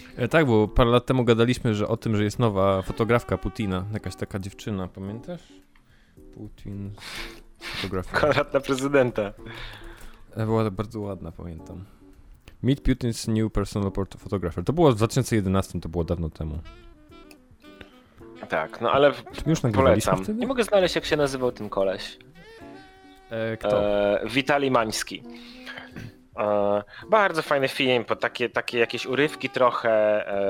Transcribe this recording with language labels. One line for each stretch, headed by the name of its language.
Polish: Tak, bo parę lat temu gadaliśmy o tym, że jest nowa fotografka Putina, jakaś taka dziewczyna, pamiętasz? Putin, fotografka. Kandydat na prezydenta. Była bardzo ładna, pamiętam.
English: Meet Putin's new personal photographer.
Polish: To było w 2011, to było dawno temu. Tak, no ale już nagrywaliśmy wtedy? Nie mogę znaleźć, jak się nazywał ten koleś. Kto? Witalij Mański. Bardzo fajny film, bo takie jakieś urywki trochę...